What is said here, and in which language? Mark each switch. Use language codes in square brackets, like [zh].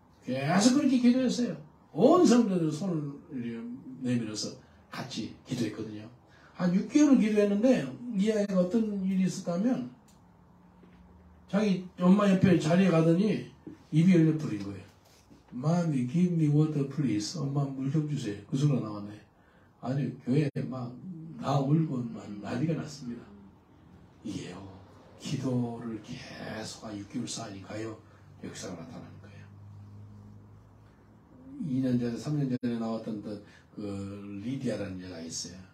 [ko] 계속 그렇게 기도했어요. 온 성도들 손을 내밀어서. 같이 기도했거든요. 한 6개월을 기도했는데 이 아이가 어떤 일이 있었다면 자기 엄마 옆에 자리에 가더니 입이 열려 부린 거예요. [en] Mommy, give me water, please. [ko] 엄마 물 좀 주세요. 그 소리가 나왔네. 아니 교회에 막 나 울고 난리가 났습니다. 이게요. 기도를 계속 한 6개월 쌓으니까요. 역사가 나타나는 거예요. 2년 전에, 3년 전에 나왔던 그 리디아라는 여자 있어요.